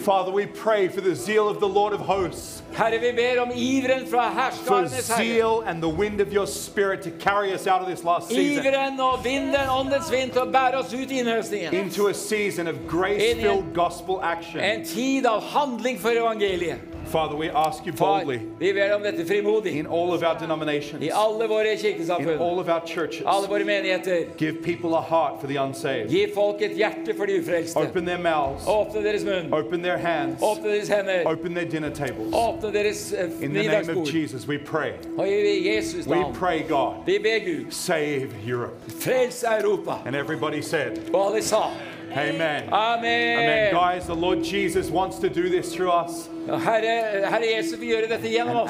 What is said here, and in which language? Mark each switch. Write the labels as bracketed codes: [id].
[en] Father, we pray for the zeal of the Lord of hosts. [no] Herre, vi ber om ivren fra herskarnes Herre. [en] For zeal and the wind of your spirit to carry us out of this last season. [no] Ivren og vinden, åndens vind, til å bære oss ut I innhøstningen. [en] Into a season of grace-filled gospel action. [no] En tid av handling for evangeliet. [en] Father, we ask you boldly [no] vi ber om dette frimodig, [en] in all of our denominations, [no] I alle våre kirkesamfunn, [en] in all of our churches, [no] alle våre menigheter, [en] give people a heart for the unsaved. [no] Gi folk et hjerte for de ufrelste. [en] Open their mouths. [no] Åpne deres munn. [en] Open their hands. [no] Åpne deres hender. [en] Open their dinner tables. [no] Åpne deres [en] in the name of Jesus, we pray. We pray, God. [no] Vi ber Gud. [en] Save Europe. [no] Frels Europa. [en] And everybody said, [no] alle sa, [en] Amen. Amen. Amen. Guys, the Lord Jesus wants to do this through us. [no] Herre Jesus, vi gjør dette gjennom oss.